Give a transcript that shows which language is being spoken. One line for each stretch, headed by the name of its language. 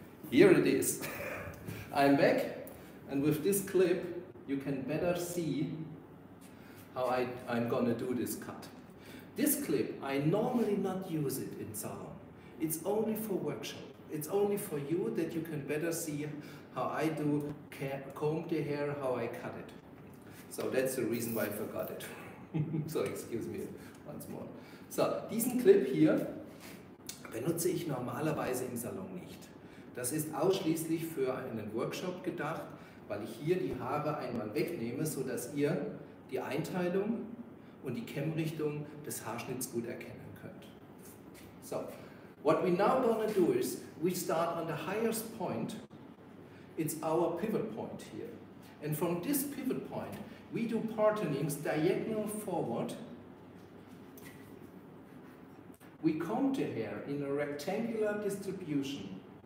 English: Here it is. I'm back, and with this clip, you can better see how I'm gonna do this cut. This clip, I normally not use it in salon. It's only for workshop. It's only for you that you can better see how I do comb the hair, how I cut it. So that's the reason why I forgot it. So excuse me once more.
German: So, diesen Clip hier benutze ich normalerweise im Salon nicht. Das ist ausschließlich für einen Workshop gedacht, weil ich hier die Haare einmal wegnehme, sodass ihr die Einteilung und die Kämmrichtung des Haarschnitts gut erkennen könnt.
English: So, what we now gonna do is, we start on the highest point. It's our pivot point here. And from this pivot point, we do partenings diagonal forward. We comb the hair in a rectangular distribution.